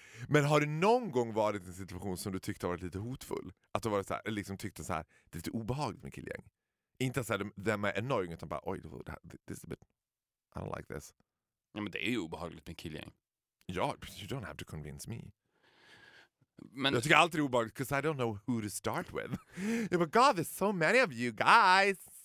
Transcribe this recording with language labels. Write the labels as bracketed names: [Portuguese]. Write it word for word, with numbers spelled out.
[Swedish] Men har du någon gång varit i en situation som du tyckte har varit lite hotfull? Att du varit så här, liksom tyckte så här, det är lite obehagligt med killgäng. Inte så här, de, de är annoying, utan bara, oj, det här, [English] this is a bit... I don't like this. [Swedish] Ja, men det är ju obehagligt med killgäng. [English] Ja, but you don't have to convince me. [Swedish] Men, jag tycker alltid det är obehagligt, [English] because I don't know who to start with. Yeah, but God, there's so many of you guys.